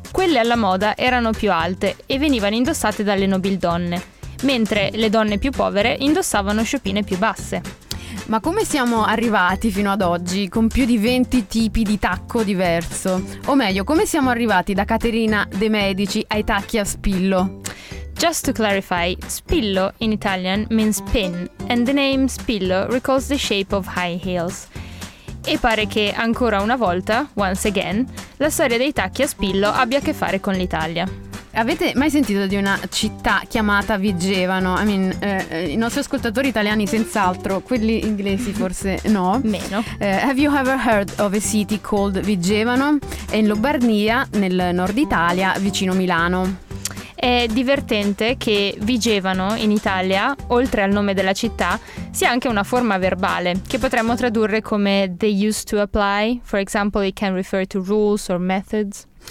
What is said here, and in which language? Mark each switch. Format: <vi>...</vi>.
<it>Quelle alla moda erano più alte e venivano indossate dalle nobildonne, mentre le donne più povere indossavano sciopine più basse. Ma come siamo arrivati fino ad oggi con più di 20 tipi di tacco diverso? O meglio, come siamo arrivati da Caterina de' Medici ai tacchi a spillo?</it> <en>Just to clarify, spillo in Italian means pin, and the name spillo recalls the shape of high heels.</en> <it>E pare che ancora una volta,</it> <en>once again,</en> <it>la storia dei tacchi a spillo abbia a che fare con l'Italia. Avete mai sentito di una città chiamata Vigevano?</it> <en>I mean,</en> <it>i nostri ascoltatori italiani senz'altro, quelli inglesi forse no. Meno.</it> <en>Have you ever heard of a city called Vigevano?</en> <it>È in Lombardia, nel nord Italia, vicino Milano. È divertente che Vigevano in Italia, oltre al nome della città, sia anche una forma verbale, che potremmo tradurre come</it> <en>they used to apply. For example, it can refer to rules or methods.</en>